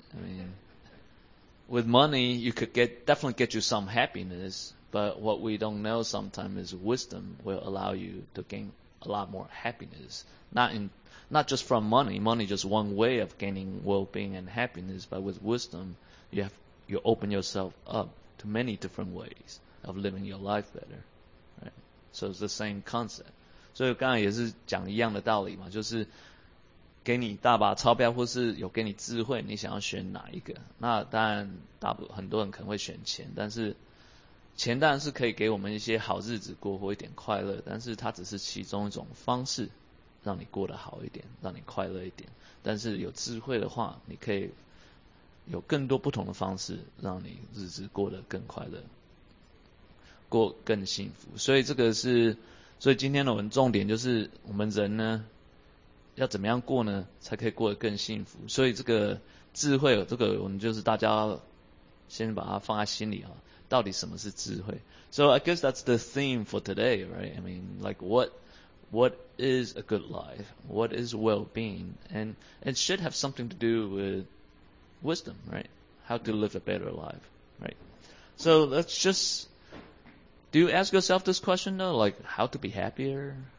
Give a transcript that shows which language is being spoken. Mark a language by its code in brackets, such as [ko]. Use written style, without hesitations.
[en] I mean, with money, you could definitely get you some happiness, but what we don't know sometimes is wisdom will allow you to gain a lot more happiness. Not just from money. Money is just one way of gaining well-being and happiness, but with wisdom, you open yourself up to many different ways of living your life better, right? So it's the same concept. [zh] 所以刚才也是讲一样的道理嘛，就是给你大把钞票，或是有给你智慧，你想要选哪一个？那当然大部很多人可能会选钱，但是钱当然是可以给我们一些好日子过，或一点快乐，但是它只是其中一种方式，让你过得好一点，让你快乐一点。但是有智慧的话，你可以有更多不同的方式，让你日子过得更快乐，过更幸福。所以这个是，所以今天的我们重点就是，我们人呢，要怎么样过呢，才可以过得更幸福。所以这个智慧，这个我们就是大家先把它放在心里啊。到底什么是智慧 [en] ？So I guess that's the theme for today, right? I mean, like what is a good life? What is well-being? And it should have something to do with wisdom, right? How to live a better life, right? So let's just do you ask yourself this question though, like how to be happier?